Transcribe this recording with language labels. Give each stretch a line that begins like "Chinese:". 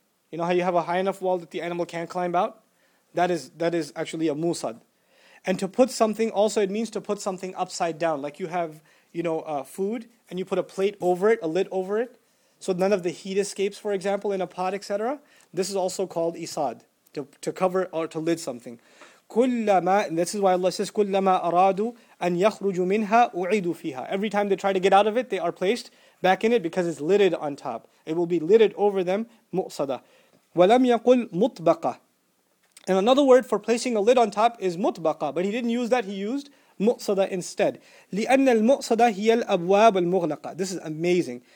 English: You know how you have a high enough wall that the animal can't climb out? That is actually a musad. And to put something, also it means to put something upside down. Like you have, you know, food, and you put a plate over it, a lid over it, so none of the heat escapes, for example, in a pot, etc. This is also called isad, to cover or to lid something.
Arabic: كُلَّمَا,
English: this is why Allah says,
Arabic: كُلَّمَا أَرَادُوا أَن يَخْرُجُوا مِنْهَا أُعِيدُوا فِيهَا.
English: Every time they try to get out of it, they are placed back in it because it's lidded on top. It will be lidded over them, مُؤْصَدَ.
Arabic: وَلَمْ يَقُلْ مُطْبَقَ.
English: And another word for placing a lid on top is مُطْبَقَ. But he didn't use that, he used مُؤْصَدَ instead.
Arabic: لِأَنَّ الْمُؤْصَدَ هِيَ الْأَبْوَابُ الْمُغْلَقَ.
English: This is amazing.